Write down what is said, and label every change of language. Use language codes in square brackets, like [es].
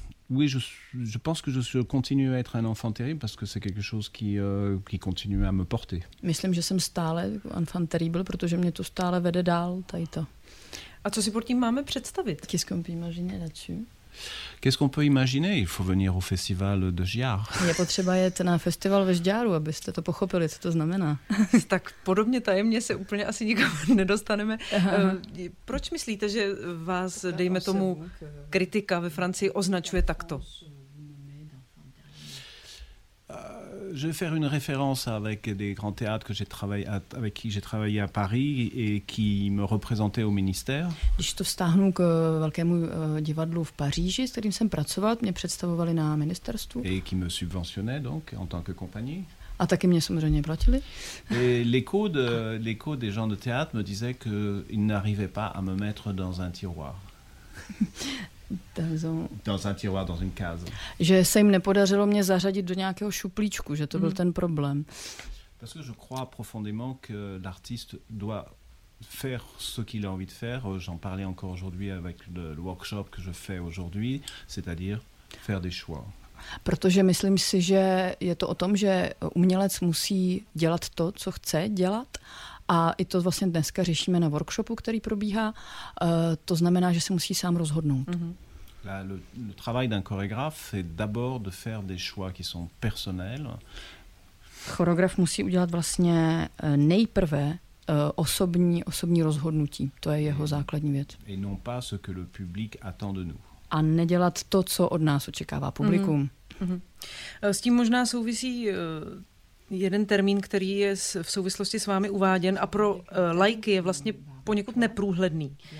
[fr] Oui, je pense que je continue à être un enfant terrible parce que c'est quelque chose qui continue à me porter. [cs] Myslím, že jsem stále [fr] enfant terrible, [cs] protože mě to stále vede dál, tady to. A co si pod tím máme představit? [fr] Qu'est-ce qu'on peut imaginer là-dessus? Qu'est-ce qu'on peut imaginer? Il faut venir au festival de Žďár. [cs] Je potřeba jet na festival ve Žďáru, abyste to pochopili, co to znamená. Tak podobně tajemně se úplně asi nikam nedostaneme. Proč myslíte, že vás, dejme tomu, kritika ve Francii označuje takto? [fr] Je vais faire une référence avec des grands théâtres que j'ai travaillé avec qui j'ai travaillé à Paris et qui me représentaient au ministère. [cs] Když to stáhnu k velkému divadlu v Paříži, s kterým jsem pracoval, mě představovali na ministerstvu. [fr] Et qui me subventionnaient donc en tant que compagnie. [cs] A taky mě samozřejmě platili. [fr] Et l'écho des gens de théâtre me disait que ils n'arrivaient pas à me mettre dans un tiroir. Dans une case. [cs] Že se jim nepodařilo mě zařadit do nějakého šuplíčku, že to byl ten problém. [fr] Parce que je crois profondément que l'artiste doit faire ce qu'il a envie de faire. J'en parlais encore aujourd'hui avec le workshop que je fais aujourd'hui, c'est-à-dire faire des choix. [cs] Protože myslím si, že je to o tom, že umělec musí dělat to, co chce dělat. A i to vlastně dneska řešíme na workshopu, který probíhá. To znamená, že se musí sám rozhodnout. Mm-hmm. [fr] Le travail d'un chorégraphe est d'abord de faire des choix qui sont personnels. [cs] Choreograf musí udělat vlastně nejprve osobní rozhodnutí. To je jeho základní věc. [fr] Et non pas ce que le public attend de nous. [cs] A nedělat to, co od nás očekává publikum. Mm-hmm. S tím možná souvisí jeden termín, který je v souvislosti s vámi uváděn a pro laiky je vlastně poněkud neprůhledný.